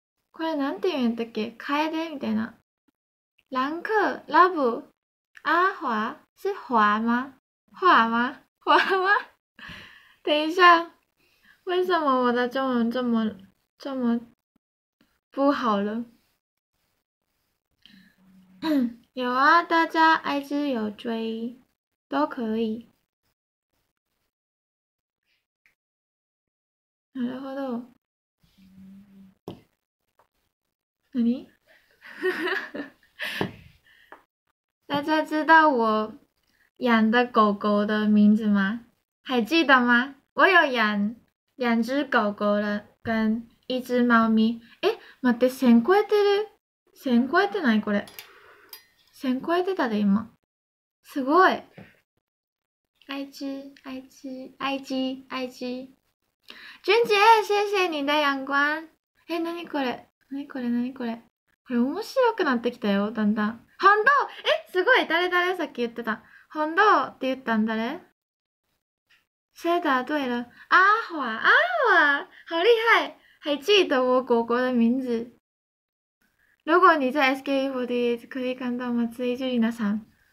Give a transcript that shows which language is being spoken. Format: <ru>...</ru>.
<ja>これなんて言うんだっけ？楓みたいな。ランク、ラブ、</ja> <zh>阿华是华吗？华吗？华吗？等一下，为什么我的中文这么不好了？有啊，大家 IG 有追，都可以。</zh> <ja>なるほど。何？</ja> <zh>大家知道我养的狗狗的名字吗？还记得吗？我有养两只狗狗了，跟一只猫咪。</zh> <ja>待って、1000超えてる？1000超えてない？これ。1000超えてたで、今。すごい。</ja> <zh>IG。娟姐，谢谢你的阳光。</zh> <ja>え、なにこれ、なにこれ、なにこれ、これ面白くなってきたよ、だんだん。本当、え、すごい、誰誰、さっき言ってた。本当って言ったんだれ。セーターどうやら、アーホア、アーホア、</ja> <zh>好厉害。还记得我果果的名字。如果你在 SKE48 可以看到松井樹里奈さん。</zh>